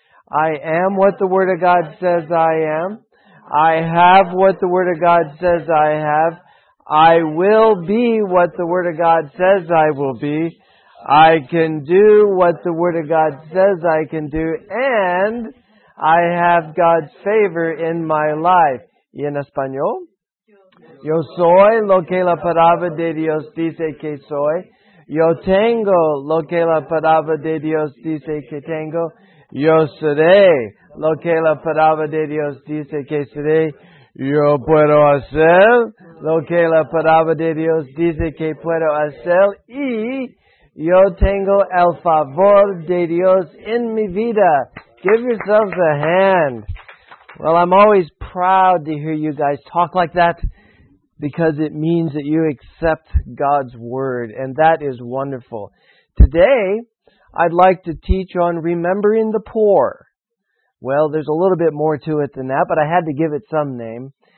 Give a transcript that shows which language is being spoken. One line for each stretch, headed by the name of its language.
English: I am what the Word of God says I am. I have what the Word of God says I have. I will be what the Word of God says I will be. I can do what the Word of God says I can do. And I have God's favor in my life.
Spanish: ¿Y en español? Yo soy lo que la palabra de Dios dice que soy. Yo tengo lo que la palabra de Dios dice que tengo. Yo seré lo que la palabra de Dios dice que seré. Yo puedo hacer lo que la palabra de Dios dice que puedo hacer. Y yo tengo el favor de Dios en mi vida.
English: Give yourselves a hand. Well, I'm always proud to hear you guys talk like that, because it means that you accept God's Word, and that is wonderful. Today, I'd like to teach on remembering the poor. Well, there's a little bit more to it than that, but I had to give it some name.